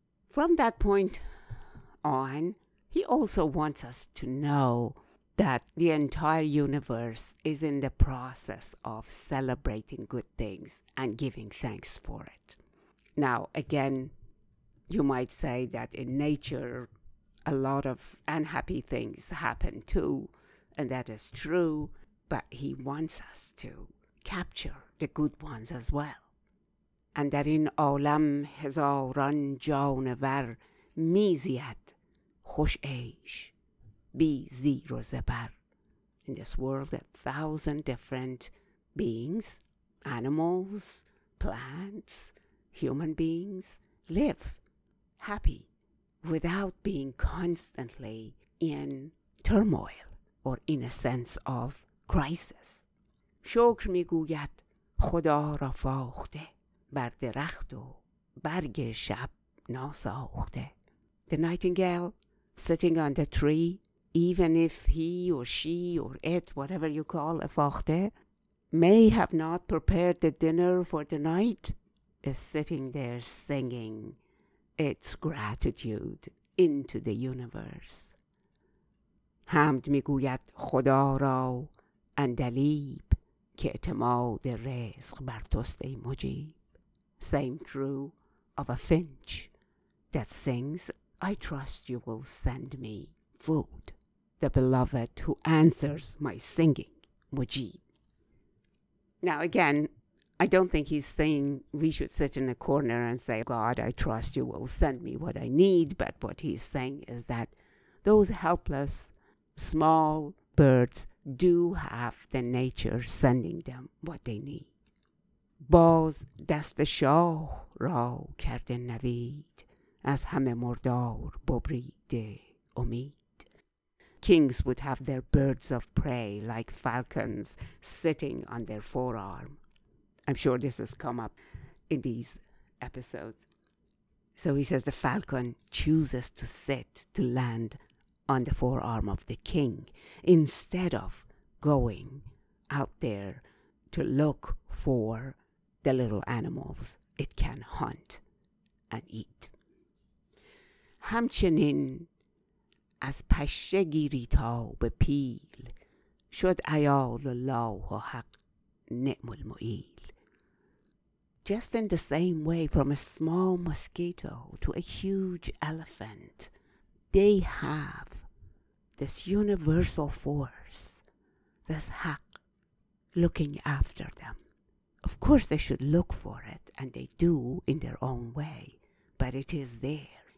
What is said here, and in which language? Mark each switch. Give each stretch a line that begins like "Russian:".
English: From that point on, he also wants us to know that the entire universe is in the process of celebrating good things and giving thanks for it. Now, again, you might say that in nature, a lot of unhappy things happen too, and that is true, but he wants us to capture the good ones as well. And
Persian: در این عالم هزاران جانور می زید خوش عیش بی زیر و زبر.
English: In this world, a thousand different beings, animals, plants, human beings live happy without being constantly in turmoil or in a sense of crisis.
Persian: شکر میگوید خدا را فاخته بر درخت و برگ شب ناساخته.
English: The nightingale sitting on the tree, even if he or she or it, whatever you call a فاخته, may have not prepared the dinner for the night, is sitting there singing its gratitude into the universe.
Persian: حمد میگوید خدا را اندلیب که اعتماد رزق بر توست ای مجیب.
English: Same true of a finch that sings, I trust you will send me food. The beloved who answers my singing, مجیب. Now again, I don't think he's saying we should sit in a corner and say, God, I trust you will send me what I need. But what he's saying is that those helpless small birds do have the nature sending them what they need.
Persian: باز دست شاه را کرده نوید از همه مردار ببریده امید.
English: Kings would have their birds of prey like falcons sitting on their forearm. I'm sure this has come up in these episodes. So he says the falcon chooses to sit to land on the forearm of the king instead of going out there to look for the little animals it can hunt and eat.
Persian: همچنین از پشه گیری تا به پیل شد عیال الله و حق نعم المعیل.
English: Just in the same way, from a small mosquito to a huge elephant, they have this universal force, this haq, looking after them. Of course, they should look for it, and they do in their own way, but it is there.